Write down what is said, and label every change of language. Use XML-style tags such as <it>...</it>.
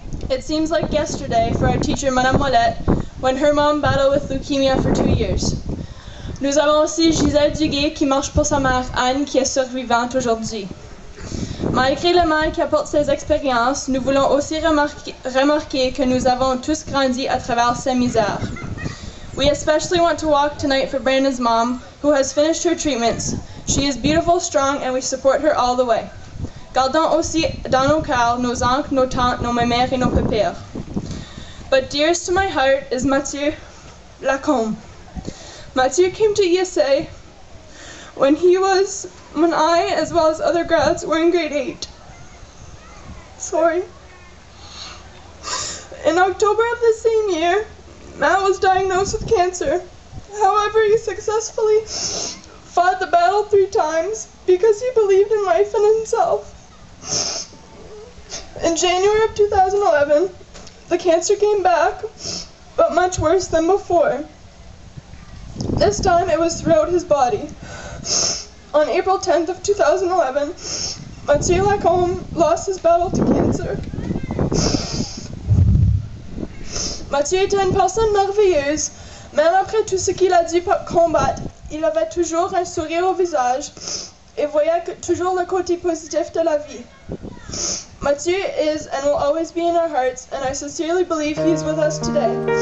<en>It seems like yesterday for our teacher, Madame Ouellette, when her mom battled with leukemia for 2 years.</en> <fr>Nous avons aussi Gisèle Duguay qui marche pour sa mère Anne qui est survivante aujourd'hui. Malgré le mal qu'apportent ces expériences, nous voulons aussi remarquer que nous avons tous grandi à travers ces misères.</fr> <en>We especially want to walk tonight for Brandon's mom, who has finished her treatments. She is beautiful, strong, and we support her all the way.</en> <fr>Gardons aussi dans nos cœurs nos oncles, nos tantes, nos mémères et nos pépères.</fr> <en>But dearest to my heart is Mathieu Lacombe. Mathieu came to ESA when he was, when I, as well as other grads, were in grade 8. Sorry. In October of the same year, Matt was diagnosed with cancer. However, he successfully fought the battle 3 times because he believed in life and himself. In January of 2011, the cancer came back, but much worse than before. This time it was throughout his body. On April 10th of 2011, Mathieu Lacombe lost his battle to cancer.</en> <fr>Mathieu était une personne merveilleuse, même après tout ce qu'il a dû combattre, il avait toujours un sourire au visage et voyait toujours le côté positif de la vie.</fr> <en>Mathieu is and will always be in our hearts, and I sincerely believe he is with us today.</en>